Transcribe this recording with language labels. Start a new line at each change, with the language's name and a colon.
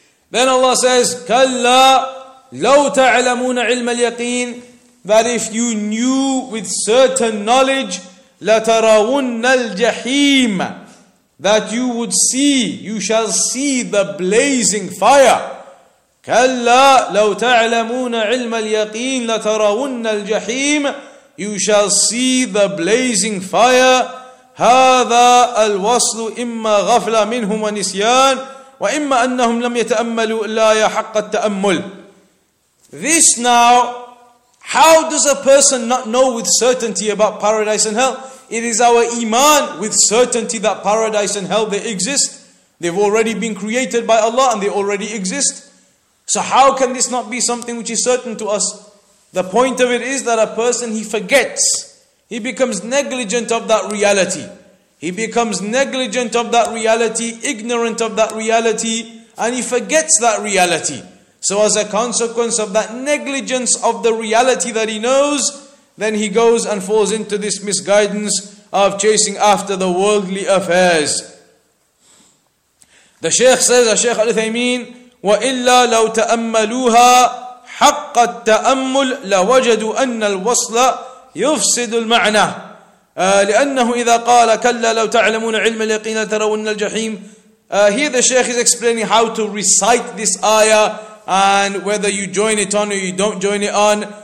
English: Then Allah says, "Kalla."
Arabic: لَوْ تَعْلَمُونَ عِلْمَ الْيَقِينَ,
English: that if you knew with certain knowledge,
Arabic: لَتَرَوُنَّ الْجَحِيمَ,
English: that you would see, you shall see the blazing fire.
Arabic: كلا لو تعلمون علم اليقين لترون الجحيم.
English: You shall see the blazing fire.
Arabic: هذا الوصل إما غفلة منهم ونسيان وإما أنهم لم يتأملوا إلا يحق التأمل.
English: This now, how does a person not know with certainty about paradise and hell? It is our iman with certainty that paradise and hell, they exist. They've already been created by Allah and they already exist. So how can this not be something which is certain to us? The point of it is that a person, he forgets. He becomes negligent of that reality. He becomes negligent of that reality, ignorant of that reality, and he forgets that reality. So as a consequence of that negligence of the reality that he knows, then he goes and falls into this misguidance of chasing after the worldly affairs. The Shaykh says,
Arabic: Shaykh Al-Uthaymeen, وَإِلَّا لَوْ تَأَمَّلُوهَا حَقَّ التَّأَمُّلْ لَوَجَدُوا أَنَّ الْوَصْلَ يُفْسِدُ الْمَعْنَى. لأنه إذا قال كَلَّا لَوْ تَعْلَمُونَ عِلْمَ الْيَقِينَ تَرَوُنَّ الْجَحِيمِ.
English: Here the Shaykh is explaining how to recite this ayah and whether you join it on or you don't join it on.